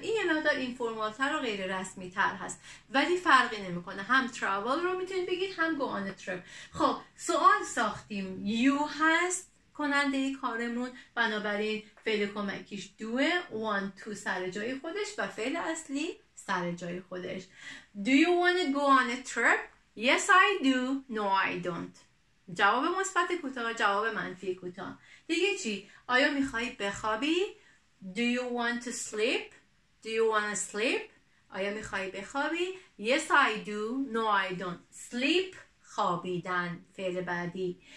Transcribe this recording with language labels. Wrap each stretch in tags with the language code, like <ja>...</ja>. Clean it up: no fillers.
<fa>این یه مقدار informal تر و غیر رسمی تر هست، ولی فرقی نمی کنه. هم travel رو میتونید بگید، هم go on a trip. خب سوال ساختیم، you هست کننده کارمون، بنابراین فعل کمکیش دوه، want to سر جای خودش و فعل اصلی سر جای خودش.</fa> <en>Do you want to go on a trip? Yes I do. No I don't.</en> <fa>جواب مثبت کوتاه، جواب منفی کوتاه. دیگه چی؟ آیا میخوای بخوابی؟</fa> <en>Do you want to sleep? Do you want to sleep?</en> <fa>آیا میخوای بخوابی؟</fa> <en>Yes I do. No I don't. Sleep</en> <fa>خوابیدن، فعل بعدی.</fa>